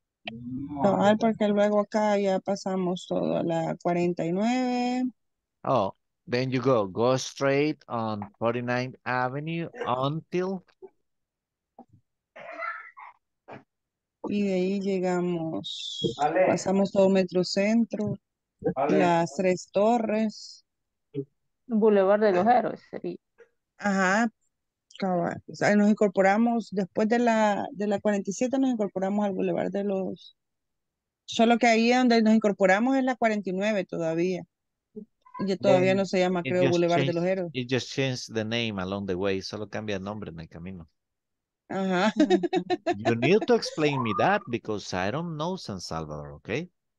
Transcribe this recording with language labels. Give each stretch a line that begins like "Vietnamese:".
Spanish: No, porque luego acá ya pasamos todo a la 49. Oh.
English: Then you go straight on 49th Avenue until
Spanish: y de ahí llegamos, pasamos todo Metro Centro, las Tres Torres, Boulevard de los Héroes sería. Ajá, cabal. O sea, nos incorporamos después de la 47, nos incorporamos al Boulevard de los, solo que ahí donde nos incorporamos es la 49 todavía. Y todavía no se llama, creo, Boulevard
English: changed,
Spanish: de los Héroes.
English: It just changed the name along the way.
Spanish: Solo cambia el nombre en el camino. Ajá.
English: You need to explain me that because I don't know San Salvador, okay?